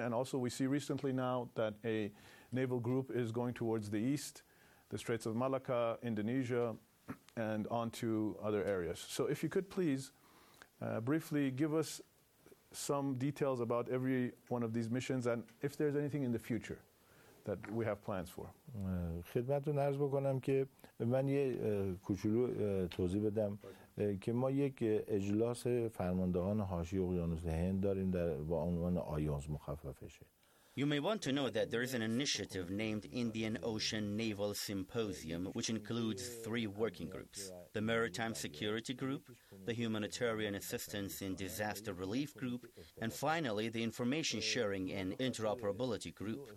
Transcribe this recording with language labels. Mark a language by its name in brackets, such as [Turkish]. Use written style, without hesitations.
[English] And also we see recently now that a naval group is going towards the east, the Straits of Malacca, Indonesia, and on to other areas. So if you could please briefly, give us some details about every one of these missions and if there's anything in the future that we have plans for. [Persian] خدمتتون عرض بکنم که من یه کوچولو توضیح بدم که ما یک اجلاس فرماندهان حاشیه اقیانوس هند داریم در با عنوان آیونز مخففشه. [English] You may want to know that there is an initiative named Indian Ocean Naval Symposium, which includes three working groups: the Maritime Security Group, the Humanitarian Assistance in Disaster Relief Group, and finally, the Information Sharing and Interoperability Group.